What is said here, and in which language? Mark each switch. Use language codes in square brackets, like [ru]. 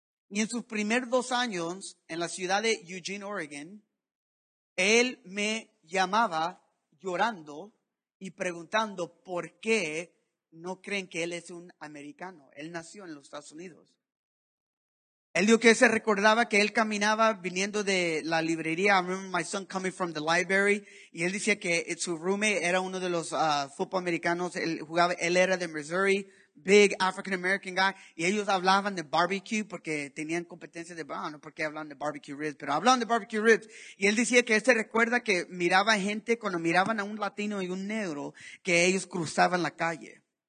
[es] Y en sus primeros 2 años, en la ciudad de Eugene, Oregon, él me llamaba llorando y preguntando por qué no creen que él es un americano. Él nació en los Estados Unidos. Él dijo que se recordaba que él caminaba viniendo de la librería. [en] I remember my son coming from the library. [es] Y él decía que su roommate era uno de los fútbol americanos. Él jugaba, él era de Missouri, [en] big African American guy. [es] Y ellos hablaban de barbecue porque tenían competencia de, bueno, porque hablaban de barbecue ribs, pero hablaban de barbecue ribs. Y él decía que él se recuerda que miraba gente cuando miraban a un latino y un negro que ellos cruzaban la calle.